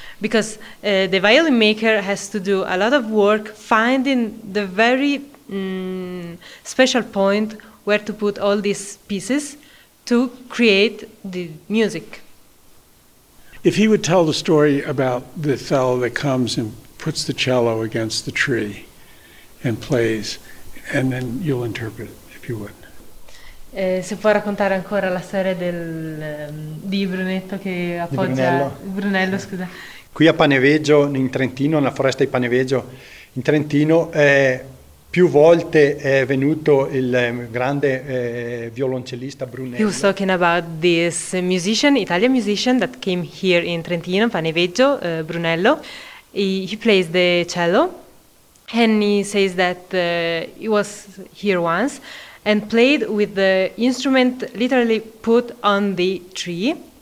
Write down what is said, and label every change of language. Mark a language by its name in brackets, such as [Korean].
[English] Because the violin maker has to do a lot of work finding the very special point where to put all these pieces to create the music. If he would tell the story about the fellow that comes and puts the cello against the tree and plays, and then you'll interpret it, if you would. [Italian] Se può raccontare ancora la storia di Brunetto che appoggia... Brunello, scusa. Qui a Paniveggio, in Trentino, nella foresta di Paniveggio, in Trentino, più volte è venuto il grande violoncellista Brunello. [English] He was talking about this musician, Italian musician, that came here in Trentino, Paniveggio, Brunello. He plays the cello, and he says that he was here once, and played with the instrument literally put on the tree.